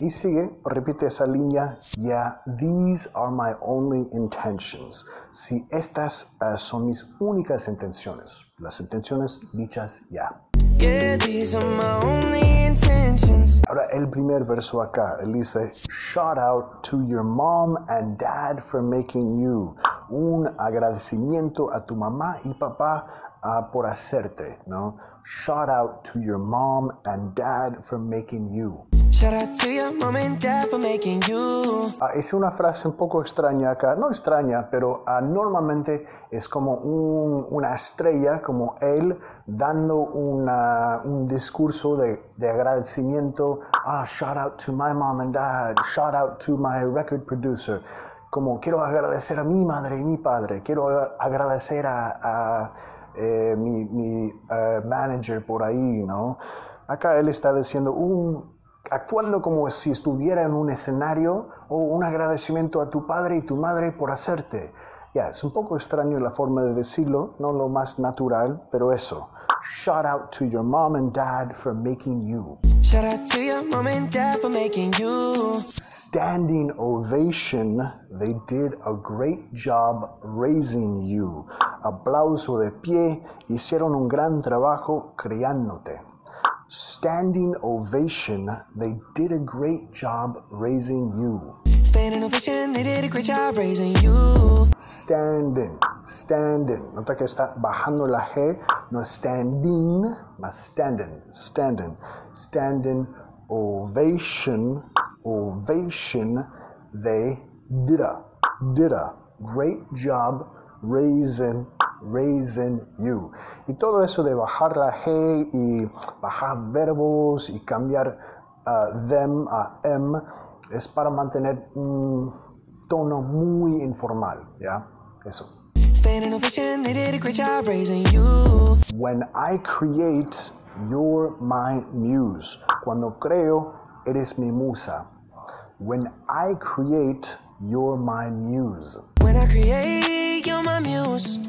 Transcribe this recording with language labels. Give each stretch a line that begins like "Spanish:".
Spanish: Y sigue, repite esa línea.
English: Yeah, these are my only intentions.
Spanish: Sí, estas son mis únicas intenciones. Las intenciones dichas ya.
English: Yeah, these are my only intentions.
Spanish: Ahora el primer verso acá. Él dice,
English: shout out to your mom and dad for making you.
Spanish: Un agradecimiento a tu mamá y papá por hacerte, ¿no?
English: Shout out to your mom and dad for making you. Shout out to your mom and dad for making you.
Spanish: Es una frase un poco extraña acá. No extraña, pero normalmente es como una estrella, como él dando un discurso de agradecimiento.
English: Shout out to my mom and dad. Shout out to my record producer.
Spanish: Como quiero agradecer a mi madre y mi padre. Quiero agradecer a mi manager por ahí, ¿no? Acá él está diciendo actuando como si estuviera en un escenario un agradecimiento a tu padre y tu madre por hacerte. Es un poco extraño la forma de decirlo, no lo más natural, pero eso.
English: Shout out to your mom and dad for making you. Shout out to your mom and dad for making you. Standing ovation, they did a great job raising you.
Spanish: Aplauso de pie, hicieron un gran trabajo criándote.
English: Standing ovation, they did a great job raising you. Standing ovation, they did a great job raising you.
Spanish: Standing. Nota que está bajando la G, no standing, mas standing.
English: Standing ovation, they did a great job raising you.
Spanish: Y todo eso de bajar la G y bajar verbos y cambiar them a M es para mantener un tono muy informal, ¿ya? Eso.
English: Standing ovation, they did a great job raising you. When I create, you're my muse.
Spanish: Cuando creo, eres mi musa.
English: When I create, you're my muse. When I create, you're my muse.